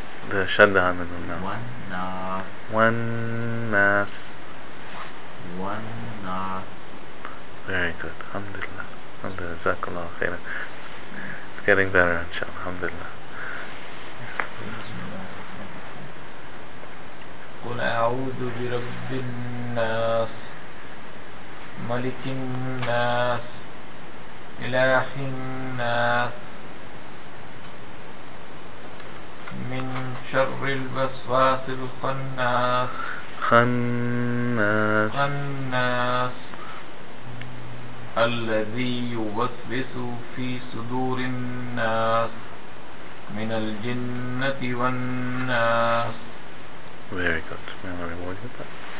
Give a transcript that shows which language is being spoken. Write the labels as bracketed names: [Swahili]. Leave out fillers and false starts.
[English] The shadda on the ghunna. [Arabic] والناس والناس والناس. [English] Very good. Alhamdulillah. Jazakallah khairan. It's getting better, inshallah. Alhamdulillah. [Arabic] قل أعوذ برب الناس ملك الناس إله الناس من شر الوسواس الخناس. خناس. خناس. الذي يوسوس في صدور الناس من الجنة والناس. [English] Very good. May I reward you that?